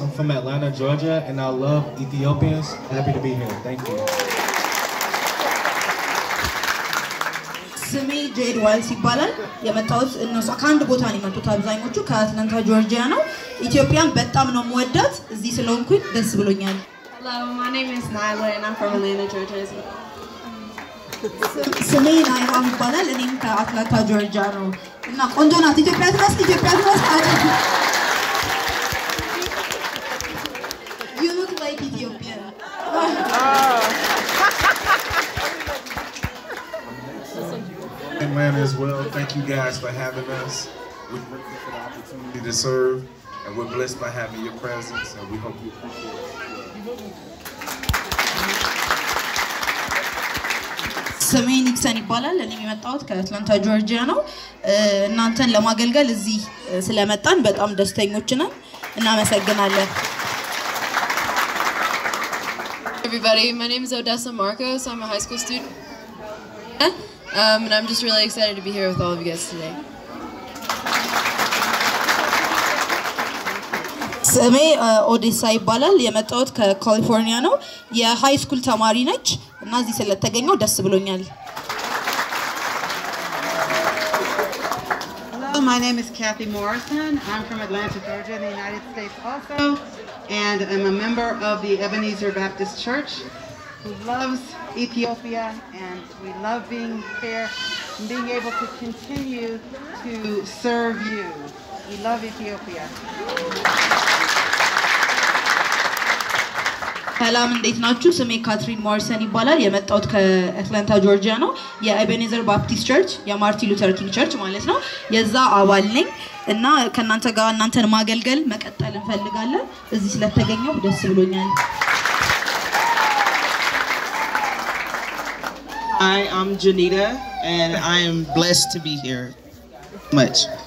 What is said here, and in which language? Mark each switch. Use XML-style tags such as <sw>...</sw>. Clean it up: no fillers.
<en>I'm from Atlanta, Georgia and I love Ethiopians. Happy to be here. Thank you.</en> <am>ስሜ ጄድ ዋልስ ይባላል። የመጣሁት እነሱ ከአንድ ቦታ ነው የመጡት አብዛኞቹ ከአትላንታ ጆርጂያ ነው። ኢትዮጵያን በጣም ነው የምወዳት። እዚህ ስለሆንኩኝ ደስ ብሎኛል። ስሜ ናይሃ ይባላል። እኔም ከአትላንታ ጆርጂያ ነው እና ቆንጆ ናት ኢትዮጵያ ትመስል ኢትዮጵያ ትመስል አጭ</am> <en>ዩ ሉክ ላይክ ኢትዮጵያ fan as well. Thank you guys for having us. We appreciate the opportunity to serve, and we're blessed by having your presence, and we hope you appreciate it.</en> <am>ስሜ ኒክሰን ይባላል እኔ የመጣሁት ከአትላንታ ጆርጂያ ነው እናንተን ለማገልገል እዚህ ስለመጣን በጣም ደስተኞች ነን እናመሰግናለን</am> <en>Everybody my name is Odessa Marcos I'm a high school student and I'm just really excited to be here with all of you guys today</en> <am>ስሜ ኦዲሳ ይባላል የመጣሁት ከካሊፎርኒያ ነው የሃይ ስኩል ተማሪ ነች እና እዚህ ስለተገኘው ደስ ብሎኛል</am> <en>Hello, my name is Kathy Morrison. I'm from Atlanta, Georgia, in the United States also, and I'm a member of the Ebenezer Baptist Church who loves Ethiopia and we love being here and being able to continue to serve you. We love Ethiopia.</en> <am>ሰላም እንዴት ናችሁ? ስሜ ካትሪን ማርሰን ይባላል የመጣሁት ከአትላንታ ጆርጂያ ነው የኤቤኔዘር ባፕቲስት ቸርች የማርቲ ሉተር ኪንግ ቸርች ማለት ነው የዛ አባል ነኝ እና ከእናንተ ጋር እናንተን ማገልገል መቀጠል እንፈልጋለን እዚህ ስለተገኘው ደስ ብሎኛል</am> <en>I am Janita and I am blessed to be here much</en>